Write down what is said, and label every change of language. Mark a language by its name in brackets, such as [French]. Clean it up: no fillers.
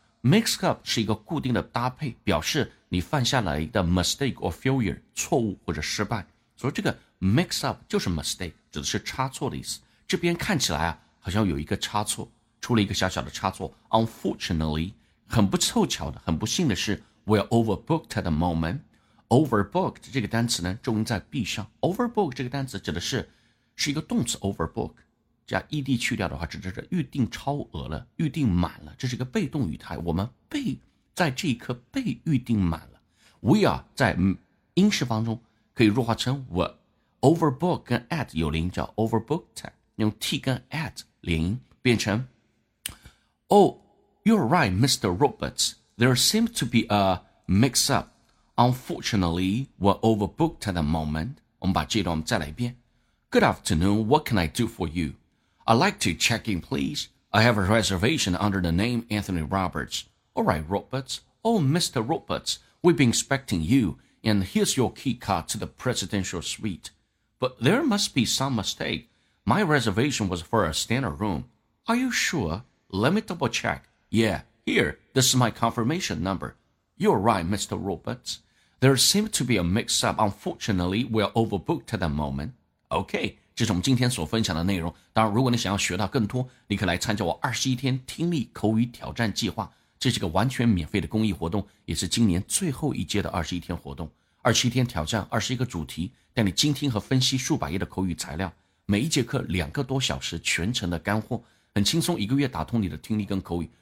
[Chinese] Mix up 是一个固定的搭配，表示你犯下来的 [English] mistake or failure, [Chinese] 错误或者失败。所以这个 mix up 就是 mistake, 指的是差错的意思。这边看起来啊，好像有一个差错，出了一个小小的差错。 [English] Unfortunately, [Chinese] 很不凑巧的，很不幸的是 [English] ,we're overbooked at the moment. [Chinese] Overbooked 这个单词呢，重音在 B 上。Overbooked 这个单词指的是一个动词 overbook, 加 ED 去掉的话，指的是预定超额了，预定满了，这是一个被动语态，我们被在这一刻被预定满了。 We are 在英式当中可以弱化成 were。 Overbook 跟 at 有连音，叫 overbooked， 用 t 跟 at 连音变成 [English] Oh, you're right, Mr. Roberts. There seems to be a mix-up. Unfortunately, we're overbooked at the moment. 我们把这段我们再来一遍。 Good afternoon, what can I do for you? I'd like to check in, please. I have a reservation under the name Anthony Roberts. All right, Roberts. Oh, Mr. Roberts, we've been expecting you, and here's your key card to the presidential suite. But there must be some mistake. My reservation was for a standard room. Are you sure? Let me double check. Yeah, here, this is my confirmation number. You're right, Mr. Roberts. There seems to be a mix-up. Unfortunately, we're overbooked at the moment. [Chinese] Okay, 这是我们今天所分享的内容。当然，如果你想要学到更多，你可以来参加我21天听力口语挑战计划。这是个完全免费的公益活动，也是今年最后一届的21天活动。 27天挑战21个主题，带你精听和分析数百页的口语材料，每一节课两个多小时，全程的干货，很轻松，一个月打通你的听力跟口语。